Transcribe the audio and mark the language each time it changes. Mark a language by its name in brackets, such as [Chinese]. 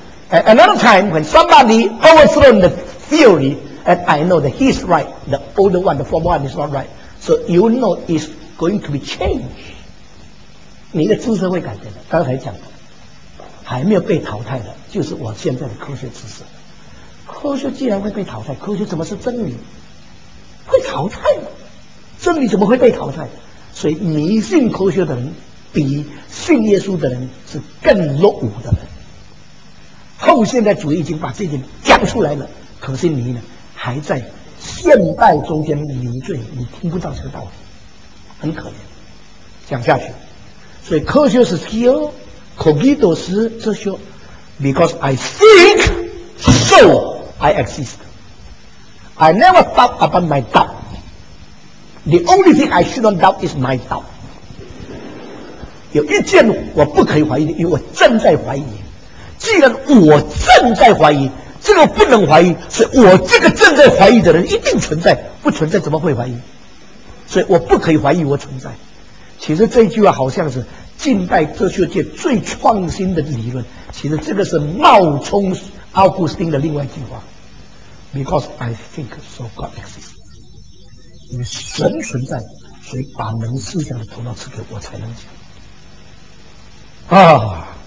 [English] Another time when somebody overthrown the theoryAnd I know that he's right, the older one, the former one is not right. So you know it's going to be changed. [Chinese] 你的知识会改变的。刚才讲的，还没有被淘汰的，就是我现在的科学知识。科学既然会被淘汰，科学怎么是真理？会淘汰吗？真理怎么会被淘汰？所以迷信科学的人，比信耶稣的人是更落伍的人。后现代主义已经把这点讲出来了，可是你呢？还在现代中间迷醉，你听不到这个道理，很可怜。讲下去，所以科学是 skill， cogito 是哲学。 [English] Because I think, so I exist. I never doubt about my doubt. The only thing I shouldn't doubt is my doubt. [Chinese] 有一件我不可以怀疑的，因为我正在怀疑。既然我正在怀疑，这个不能怀疑，所以我这个正在怀疑的人一定存在，不存在怎么会怀疑？所以我不可以怀疑我存在。其实这句话好像是近代哲学界最创新的理论，其实这个是冒充奥古斯丁的另外一句话， [English] Because I think so God exists， [Chinese] 你神存在，所以把能思想的头脑赐给我才能讲啊。